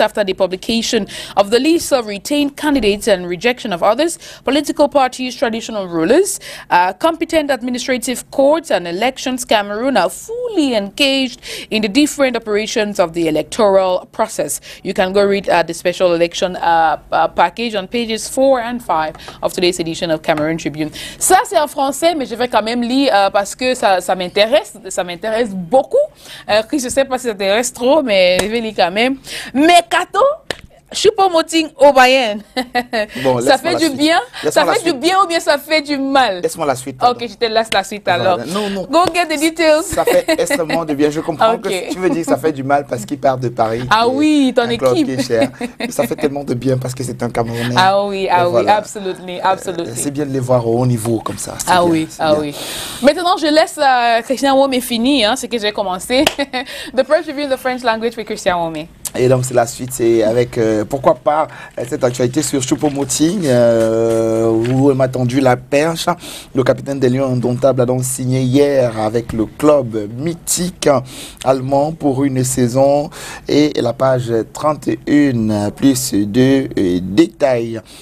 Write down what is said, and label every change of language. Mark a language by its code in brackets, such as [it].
[en] After the publication of the list of retained candidates and rejection of others, political parties, traditional rulers, competent administrative courts and elections Cameroon are fully engaged in the different operations of the electoral process. You can go read the special election package on pages 4 and 5 of today's edition of Cameroon Tribune. [fr] Ça c'est en français, mais je vais quand même lire parce que ça m'intéresse. Ça m'intéresse beaucoup. Chris, je ne sais pas si ça t'intéresse trop, mais je vais lire quand même. Mais Kato, je suis pas moting au Bayern. Ça fait du bien. Ça fait du bien ou bien ça fait du mal? Laisse-moi la suite. Pardon. Ok, je te laisse la suite alors. Non. [en] Go get the details. [fr] Ça fait extrêmement de bien. Je comprends okay. Que tu veux dire que ça fait du mal parce qu'il part de Paris. Ah oui, ton équipe. Ça fait tellement de bien parce que c'est un Camerounais. Ah oui, ah voilà. Oui, absolutely. C'est bien de les voir au haut niveau comme ça. C'est bien. Maintenant, je laisse Christian Wome finir ce que j'ai commencé. [en] The press review of the French language with Christian Wome. [fr] Et donc, c'est la suite, c'est avec, pourquoi pas, cette actualité sur Choupo-Moting, où elle m'a tendu la perche. Le capitaine des Lions Indomptables a donc signé hier avec le club mythique allemand pour une saison. Et la page 31, plus de détails.